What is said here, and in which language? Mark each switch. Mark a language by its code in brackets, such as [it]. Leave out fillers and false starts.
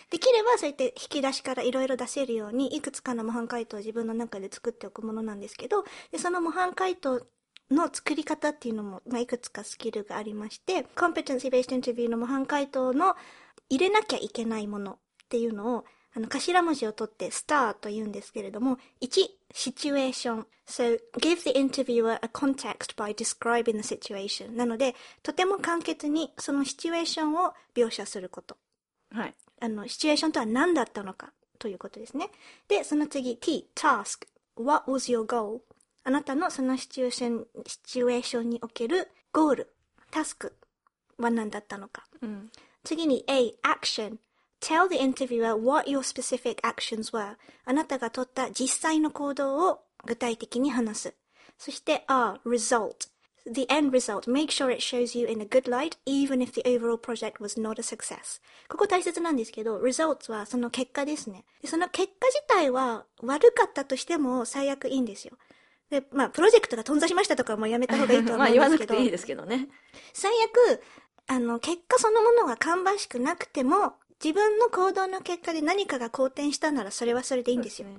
[ja] できればそうやって引き出しからいろいろ出せるように、いくつかの模範解答を自分の中で作っておくものなんですけど、で、その模範解答の作り方っていうのも、まあ、いくつかスキルがありまして、コンペテンシーベースインタビューの模範解答の入れなきゃいけないものっていうのを、頭文字を取ってスターと言うんですけれども、1、シチュエーション。 [en] So, give the interviewer a context by describing the situation. [ja] なので、とても簡潔にそのシチュエーションを描写すること。はい。シチュエーションとは何だったのかということですね。で、その次、 [en] T、task。What was your goal? [ja] あなたのそのシチュエーションにおけるゴール、タスクは何だったのか。うん、次に、A、action。 [en] Tell the interviewer what your specific actions were. [ja] あなたが取った実際の行動を具体的に話す。 [en] そして R, result. The end result. Make sure it shows you in a good light, even if the overall project was not a success. [ja] ここ大切なんですけど、result はその結果ですね。その結果自体は悪かったとしても最悪いいんですよ。で、まあ、プロジェクトが頓挫しましたとかもやめた方がいいと思うんですけど。まあ、言わなくていいですけどね。最悪、結果そのものが芳しくなくても、自分の行動の結果で何かが好転したならそれはそれでいいんですよ。